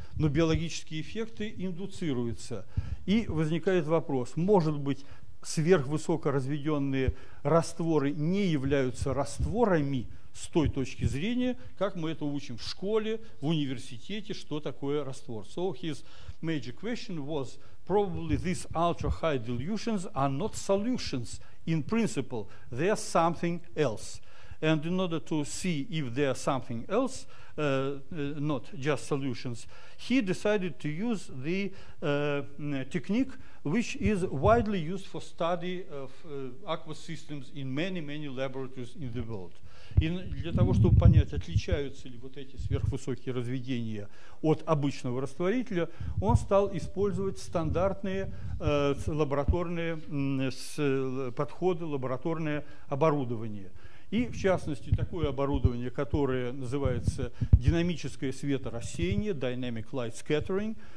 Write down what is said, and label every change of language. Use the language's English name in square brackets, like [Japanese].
[Russian] Но биологические эффекты индуцируются. И возникает вопрос, может быть, сверхвысокоразведенные растворы не являются растворами с той точки зрения, как мы это учим в школе, в университете, что такое раствор. [English] So his major question was, probably these ultra-high dilutions are not solutions in principle, they are something else. And in order to see if they are something else, not just solutions, he decided to use the technique which is widely used for study of aqueous systems in many, many laboratories in the world. [Russian] И для того, чтобы понять, отличаются ли вот эти сверхвысокие разведения от обычного растворителя, он стал использовать стандартные лабораторные подходы, лабораторное оборудование. И в частности такое оборудование, которое называется динамическое светорассеяние, Dynamic Light Scattering.